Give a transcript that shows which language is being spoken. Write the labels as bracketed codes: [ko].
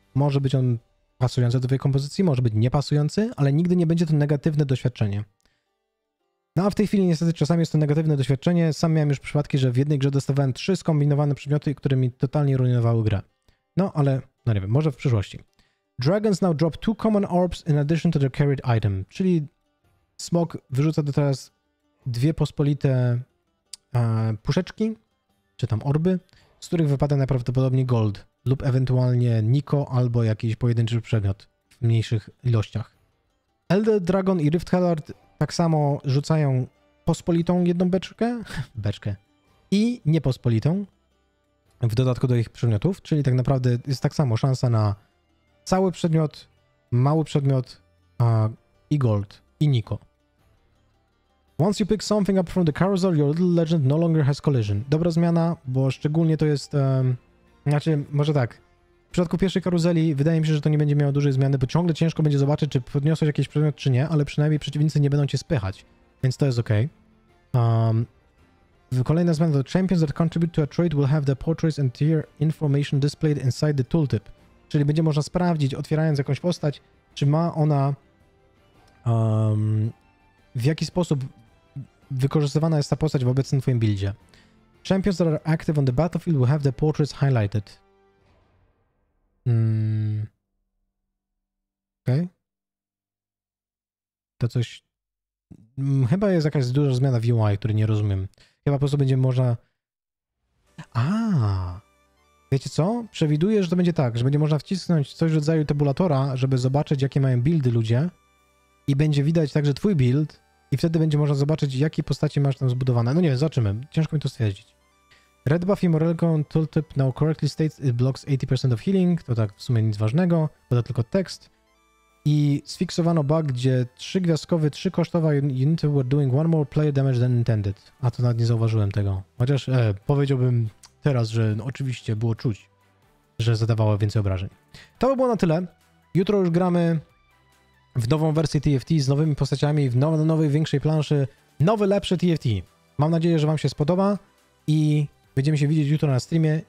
[pl] Może być on pasujący do twojej kompozycji, może być niepasujący, ale nigdy nie będzie to negatywne doświadczenie. No a w tej chwili niestety czasami jest to negatywne doświadczenie. Sam miałem już przypadki, że w jednej grze dostawałem 3 skombinowane przedmioty, które mi totalnie rujnowały grę. No ale, no nie wiem, może w przyszłości. [en] Dragons now drop 2 common orbs in addition to their carried item. [pl] Czyli smok wyrzuca do teraz 2 pospolite puszeczki, czy tam orby, z których wypada najprawdopodobniej gold lub ewentualnie Niko albo jakiś pojedynczy przedmiot w mniejszych ilościach. Elder Dragon i Rift Herald tak samo rzucają pospolitą jedną beczkę i niepospolitą w dodatku do ich przedmiotów, czyli tak naprawdę jest tak samo szansa na cały przedmiot, mały przedmiot i gold i Niko. [en] Once you pick something up from the carousel, your little legend no longer has collision. [pl] Dobra zmiana, bo szczególnie to jest... znaczy, może tak. W przypadku pierwszej karuzeli wydaje mi się, że to nie będzie miało dużej zmiany, bo ciągle ciężko będzie zobaczyć, czy podniosłeś jakiś przedmiot, czy nie, ale przynajmniej przeciwnicy nie będą cię spychać. Więc to jest okej. Okay. Kolejna zmiana to [en] champions that contribute to a trade will have the portraits and tier information displayed inside the tooltip. [pl] Czyli będzie można sprawdzić, otwierając jakąś postać, czy ma ona... w jaki sposób wykorzystywana jest ta postać w obecnym twoim buildzie. [en] Champions that are active on the battlefield will have their portraits highlighted. [pl] Okej. Okay. To coś... chyba jest jakaś duża zmiana w UI, której nie rozumiem. Chyba po prostu będzie można... Wiecie co? Przewiduję, że to będzie tak, że będzie można wcisnąć coś w rodzaju tabulatora, żeby zobaczyć, jakie mają buildy ludzie. I będzie widać także twój build. I wtedy będzie można zobaczyć, jakie postacie masz tam zbudowane. No nie wiem, zobaczymy. Ciężko mi to stwierdzić. [en] Red buff i Morelgon tooltip now correctly states it blocks 80% of healing. [pl] To tak w sumie nic ważnego, bo to tylko tekst. I sfiksowano bug, gdzie 3 gwiazdkowe, 3 kosztowa unity [en] were doing one more player damage than intended. [pl] A to nawet nie zauważyłem tego. Chociaż powiedziałbym teraz, że no, oczywiście było czuć, że zadawało więcej obrażeń. To by było na tyle. Jutro już gramy w nową wersję TFT z nowymi postaciami, w nowej, większej planszy. Nowy, lepszy TFT. Mam nadzieję, że wam się spodoba i będziemy się widzieć jutro na streamie.